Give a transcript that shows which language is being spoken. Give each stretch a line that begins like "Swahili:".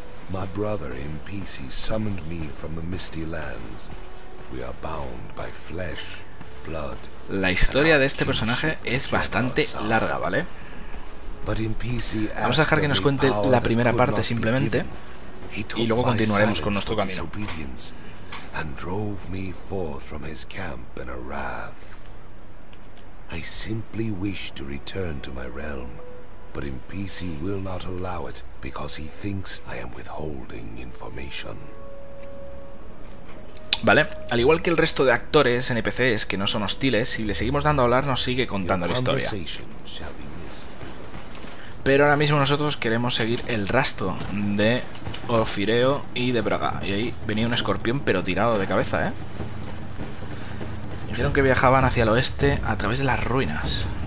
English: My brother in peace summoned me from the misty lands. We are bound by flesh, blood.
Spanish: La historia de este personaje es bastante larga, ¿vale? Vamos a dejar que nos cuente la primera parte simplemente y luego continuaremos con nuestro camino.
English: And drove me forth from his camp in a wrath. I simply wish to return to my realm, but Impisi will not allow it because he thinks I am withholding information.
Spanish: Vale, al igual que el resto de actores NPCs que no son hostiles, si le seguimos dando a hablar nos sigue contando la historia. Pero ahora mismo nosotros queremos seguir el rastro de Ofireo y de Braga. Y ahí venía un escorpión, pero tirado de cabeza, ¿eh? Dijeron que viajaban hacia el oeste a través de las ruinas.